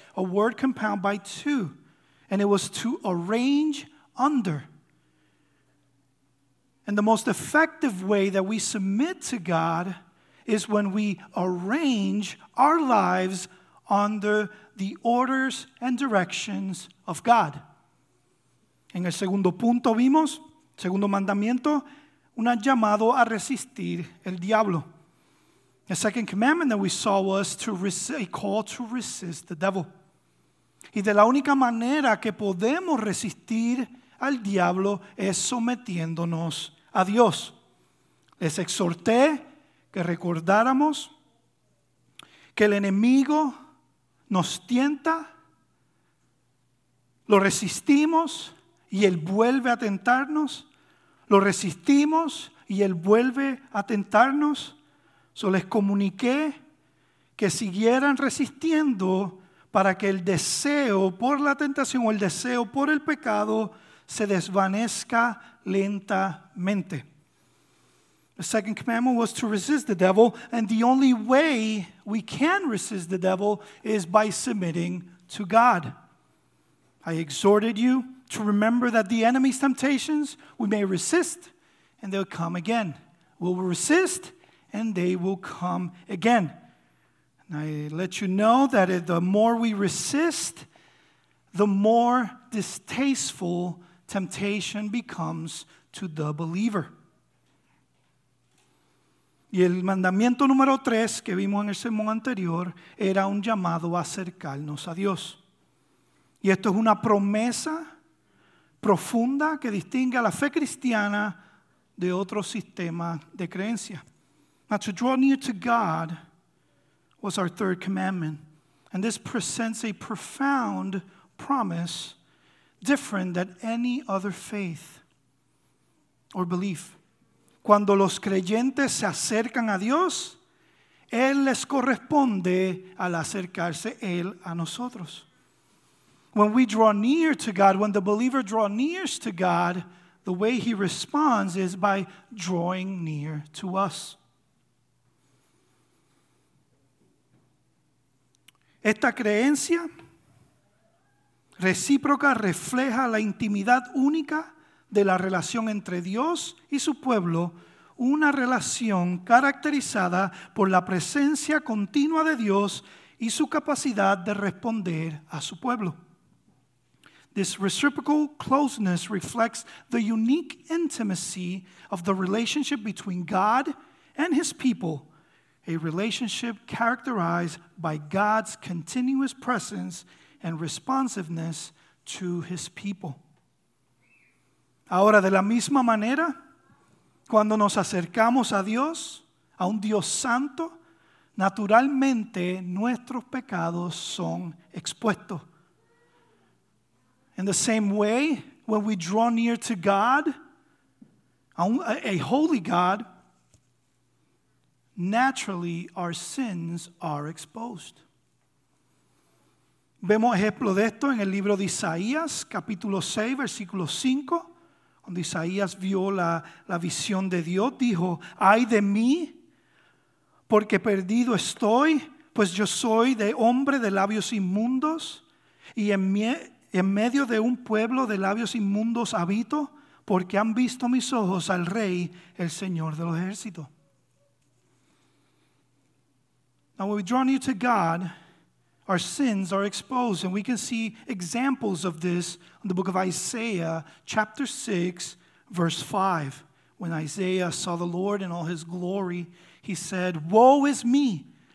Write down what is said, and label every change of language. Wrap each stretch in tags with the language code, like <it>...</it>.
<en>A word compound by two. And it was to arrange under. And the most effective way that we submit to God is when we arrange our lives under the orders and directions of God.</en> <es>En el segundo punto vimos, segundo mandamiento, un llamado a resistir el diablo.</es> <en>The second commandment that we saw was to resist the devil.</en> <es>Y de la única manera que podemos resistir al diablo es sometiéndonos a Dios. Les exhorté que recordáramos que el enemigo nos tienta, lo resistimos y él vuelve a tentarnos, lo resistimos y él vuelve a tentarnos. So les comuniqué que siguieran resistiendo para que el deseo por la tentación o el deseo por el pecado se desvanezca lentamente.</es> <en>The second commandment was to resist the devil, and the only way we can resist the devil is by submitting to God. I exhorted you to remember that the enemy's temptations, we may resist, and they'll come again. We'll resist, and they will come again. And I let you know that the more we resist, the more distasteful temptation becomes to the believer.</en> <es>Y el mandamiento número tres que vimos en el sermón anterior era un llamado a acercarnos a Dios. Y esto es una promesa profunda que distingue a la fe cristiana de otro sistema de creencia.</es> <en>Now, to draw near to God was our third commandment. And this presents a profound promise different than any other faith or belief.</en> <es>Cuando los creyentes se acercan a Dios, Él les corresponde al acercarse Él a nosotros.</es> <en>When we draw near to God, when the believer draws near to God, the way he responds is by drawing near to us.</en> <es>Esta creencia recíproca refleja la intimidad única de la relación entre Dios y su pueblo, una relación caracterizada por la presencia continua de Dios y su capacidad de responder a su pueblo.</es> <en>This reciprocal closeness reflects the unique intimacy of the relationship between God and his people, a relationship characterized by God's continuous presence and responsiveness to his people.</en> <es>Ahora, de la misma manera, cuando nos acercamos a Dios, a un Dios santo, naturalmente nuestros pecados son expuestos.</es> <en>In the same way, when we draw near to God, a holy God, naturally our sins are exposed.</en> <es>Vemos ejemplo de esto en el libro de Isaías, capítulo 6, versículo 5. Cuando Isaías vio la visión de Dios, dijo, ¡ay de mí, porque perdido estoy, pues yo soy de hombre de labios inmundos, y en medio de un pueblo de labios inmundos habito, porque han visto mis ojos al Rey, el Señor de los ejércitos!</es> <en>Now when we draw near to God, our sins are exposed, and we can see examples of this in the book of Isaiah, chapter 6, verse 5. When Isaiah saw the Lord in all his glory, he said, "Woe is me,</en>